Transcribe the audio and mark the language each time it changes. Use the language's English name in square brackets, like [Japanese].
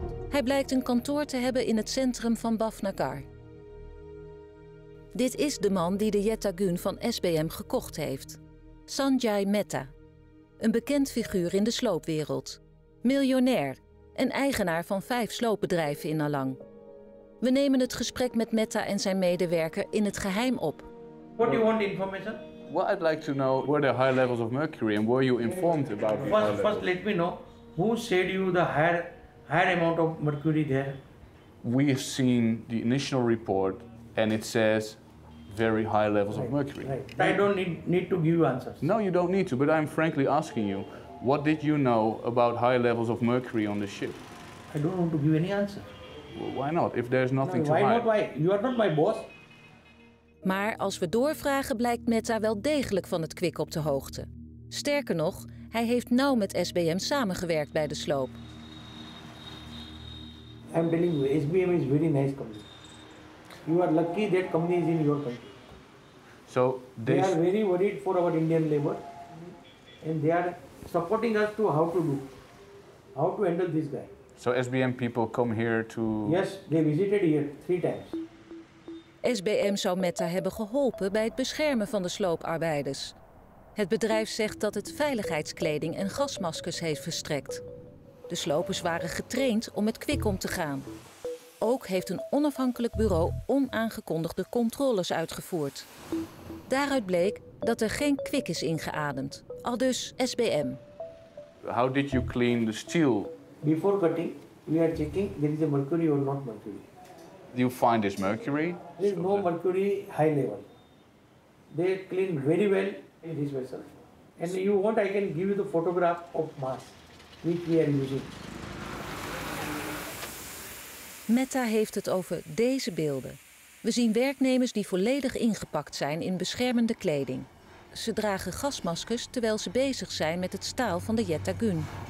[Dutch] Hij blijkt een kantoor te hebben in het centrum van Bhavnagar. Dit is de man die de Jetta Gun van SBM gekocht heeft. Sanjay Mehta. Een bekend figuur in de sloopwereld. Miljonair en eigenaar van 5 sloopbedrijven in Alang. We nemen het gesprek met Mehta en zijn medewerker in het geheim op. [English] What do you want information? What I'd like to know were the high levels of mercury and were you informed about the first, let me know who said you the higher amount of mercury there? We have seen the initial report and it says very high levels of mercury. Right. I don't need to give you answers. No, you don't need to, but I'm frankly asking you, what did you know about high levels of mercury on the ship? I don't want to give any answer. Well, why not? If there's nothing why to hide. Not? Why? You are not my boss. [Dutch] Maar als we doorvragen blijkt Mehta wel degelijk van het kwik op de hoogte. Sterker nog, hij heeft nauw met SBM samengewerkt bij de sloop. [English] I'm telling you, SBM is very nice company. You are lucky that company is in your country. So they are very worried for our Indian labor, and they are supporting us to how to handle this guy. So SBM people come here to? Yes, they visited here 3 times. [Dutch] SBM zou Mehta hebben geholpen bij het beschermen van de slooparbeiders. Het bedrijf zegt dat het veiligheidskleding en gasmaskers heeft verstrekt. De slopers waren getraind om met kwik om te gaan. Ook heeft een onafhankelijk bureau onaangekondigde controles uitgevoerd. Daaruit bleek dat er geen kwik is ingeademd. Aldus SBM. [English] How did you clean the steel? Before cutting, we are checking there is a mercury or not mercury. Do you find this mercury? There is no mercury high level. They clean very well in this vessel. And if you want, I can give you the photograph of mass which we are using. [Dutch] Mehta heeft het over deze beelden. We zien werknemers die volledig ingepakt zijn in beschermende kleding. Ze dragen gasmaskers terwijl ze bezig zijn met het staal van de Jetta Gun.